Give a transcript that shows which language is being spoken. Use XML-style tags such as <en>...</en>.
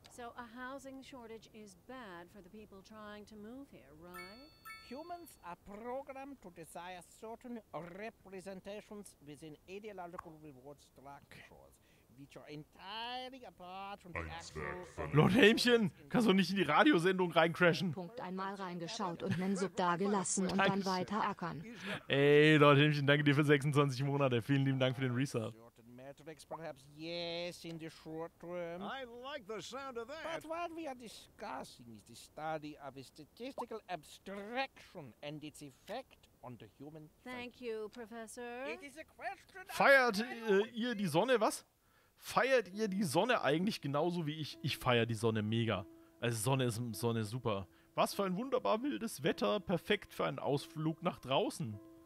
<en>So a housing shortage is bad for the people trying to move here, right? Humans are programmed to desire certain representations within ideological reward structures, which are entirely apart from the actual...</en> <de>Lord Hämchen, kannst du nicht in die Radiosendung reincrashen? Punkt einmal reingeschaut und Mensub da gelassen und dann weiter ackern. Ey, Lord Hämchen, danke dir für 26 Monate. Vielen lieben Dank für den Resub.</de> <en>Perhaps yes, in the short term. I like the sound of that. But what we are discussing is the study of a statistical abstraction and its effect on the human. Thank you, Professor. It is a question.</en> <de>Feiert ihr die Sonne, was? Feiert ihr die Sonne eigentlich genauso wie ich? Ich feiere die Sonne mega. Also Sonne super. Was für ein wunderbar wildes Wetter, perfekt für einen Ausflug nach draußen.</de>